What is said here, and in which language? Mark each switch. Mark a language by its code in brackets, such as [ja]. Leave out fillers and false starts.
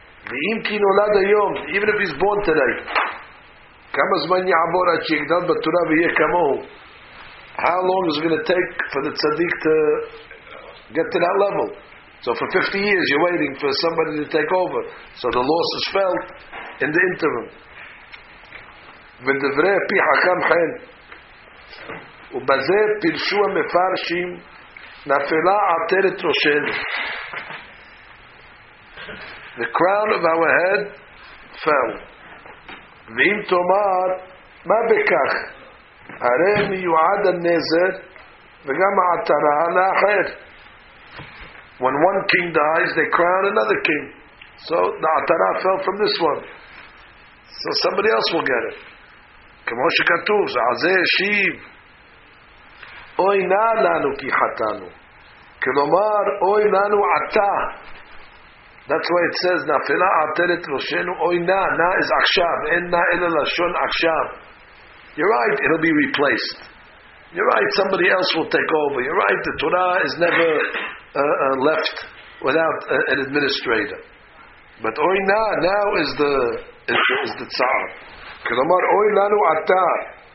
[he] Ve'im ki nolad hayom, [en] even if he's born today, [he] kama zman ya'avor ad she'yigdal b'torah ve'yeh kamohu. [en] How long is it going to take for the tzaddik to get to that level? So for 50 years you're waiting for somebody to take over. So the loss is felt in the interim. [he] Ve'devrei pi hacham chen. ובזה פירשו המפרשים נפלה עטרת ראשנו. [en] The crown of our head fell. [he] ואם תאמר מה בכך, הרי מיועד הנזר וגם העטרה לאחר. [en] When one king dies, they crown another king. So the עטרה fell from this one, so somebody else will get it. [he] כמו שכתוב, זה על זה ישיב אוי נא לנו כי חטאנו, כלומר אוי לנו עתה. [en] That's why it says [he] נפלה עטרת ראשנו. אוי נא, נא is עכשיו, אין נא אלא לשון עכשיו. [en] You're right, it'll be replaced. You're right, somebody else will take over. You're right, the Torah is never left without an administrator. But אוי נא, now is the צער, [he] כלומר אוי לנו עתה.